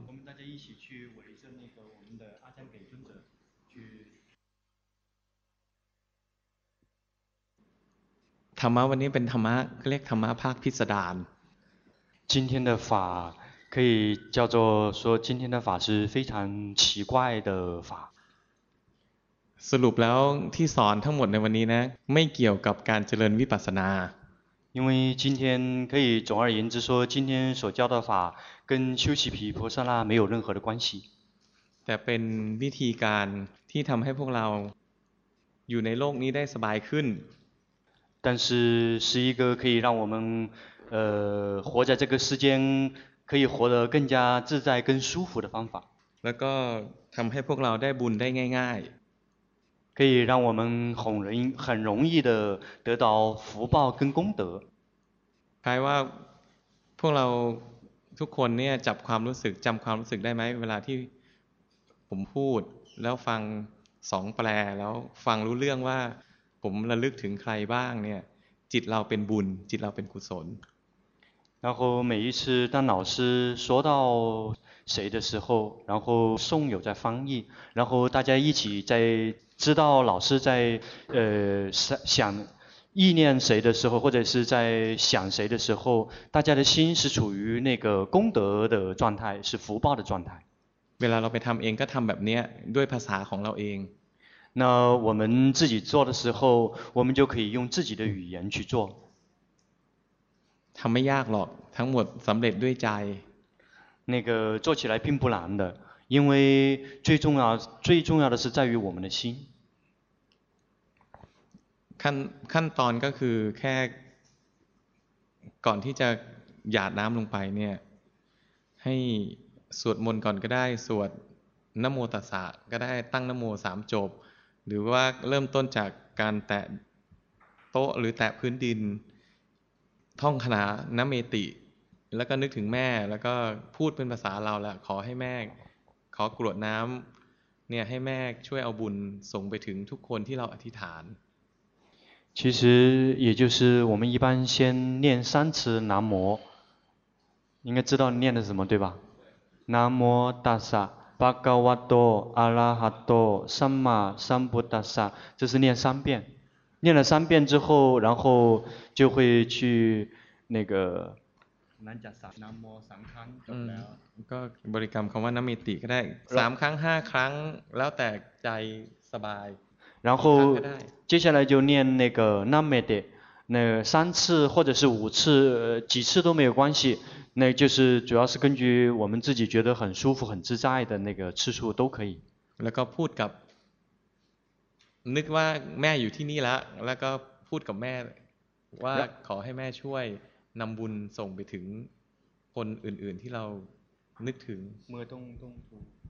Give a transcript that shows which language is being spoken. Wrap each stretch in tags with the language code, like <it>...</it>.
<th>เราจะ</th> <zh>一起去围着那个我们的阿赞给尊者去</zh> <th>ธรรมะวันนี้เป็นธรรมะเรียกธรรมะภาคพิสดาร</th> <zh>今天的法可以叫做说今天的法是非常奇怪的法</zh> <th>สรุปแล้วที่สอนทั้งหมดในวันนี้นะไม่เกี่ยวกับการเจริญวิปัสสนา</th> <zh>因为今天可以总而言之说，今天所教的法跟修习毗婆舍那没有任何的关系。</zh> <th>แต่เป็นวิธีการที่ทำให้พวกเราอยู่ในโลกนี้ได้สบายขึ้น。</th> <zh>但是是一个可以让我们活在这个世间可以活得更加自在跟舒服的方法。</zh> <th>แล้วก็ทำให้พวกเราได้บุญได้ง่ายๆ。</th> <zh>可以让我们很容易的得到福报跟功德。</zh> <th>คือว่าพวกเราทุกคนเนี่ยจับความรู้สึกจำความรู้สึกได้ไหมเวลาที่ผมพูดแล้วฟังสองแปลแล้วฟังรู้เรื่องว่าผมระลึกถึงใครบ้างเนี่ยจิตเราเป็นบุญจิตเราเป็นกุศล</th> <zh>然后每一次当老师说到谁的时候然后诵有在翻译然后大家一起在知道老师在想意念谁的时候或者是在想谁的时候大家的心是处于那个功德的状态是福报的状态</zh> <th>เวลาเราไปทำเองก็ทำแบบนี้ด้วยภาษาของเราเอง</th> <zh>那我们自己做的时候我们就可以用自己的语言去做</zh> <th>ทำไม่ยากหรอกทั้งหมดสำเร็จด้วยใจ</th> <zh>那个做起来并不难的因为最重要的是在于我们的心</zh> <th>ขั้นตอนก็คือแค่ก่อนที่จะหยาดน้ำลงไปเนี่ยให้สวดมนต์ก่อนก็ได้สวดนโมตัสสะก็ได้ตั้งนโมสามจบหรือว่าเริ่มต้นจากการแตะโต๊ะหรือแตะพื้นดินท่องคณานะเมติแล้วก็นึกถึงแม่แล้วก็พูดเป็นภาษาเราแหละขอให้แม่ขอกรวดน้ำเนี่ยให้แม่ช่วยเอาบุญส่งไปถึงทุกคนที่เราอธิษฐาน</th> <zh>其实也就是我们一般先念三次南无应该知道念的什么对吧南无大萨巴嘎瓦多阿拉哈多三马三不大萨这是念三遍念了三遍之后然后就会去那个南迦萨南无三康</zh> <th>就了ก็บริกรรมคำว่านมิติก็ได้3ครั้ง5ครั้งแล้วแต่ใจสบาย</th> <zh>然后接下来就念那个นมิติ那3次或者是5次几次都没有关系那就是主要是根据我们自己觉得很舒服很自在的那个次数都可以</zh> <th>แล้วก็พูดกับนึกว่าแม่อยู่ที่นี่แล้วแล้วก็พูดกับแม่ว่าขอให้แม่ช่วยนำบุญส่งไปถึงคนอื่นๆที่เรานึกถึง เมื่อต้องถูก</th>